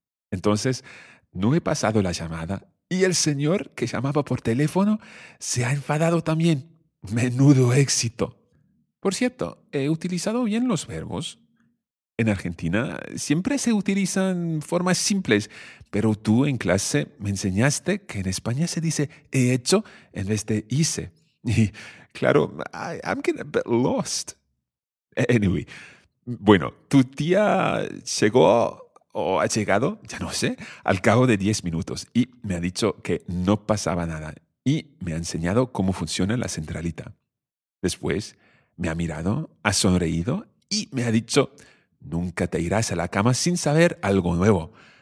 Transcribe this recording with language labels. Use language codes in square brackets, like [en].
[es] Entonces, no he pasado la llamada y el señor que llamaba por teléfono se ha enfadado también. ¡Menudo éxito! Por cierto, he utilizado bien los verbos. En Argentina siempre se utilizan formas simples, pero tú en clase me enseñaste que en España se dice he hecho en vez de hice. Y claro, [en] I'm getting a bit lost. [es] Anyway, bueno, tu tía llegó o ha llegado, ya no sé, al cabo de 10 minutos y me ha dicho que no pasaba nada y me ha enseñado cómo funciona la centralita. Después me ha mirado, ha sonreído y me ha dicho, nunca te irás a la cama sin saber algo nuevo.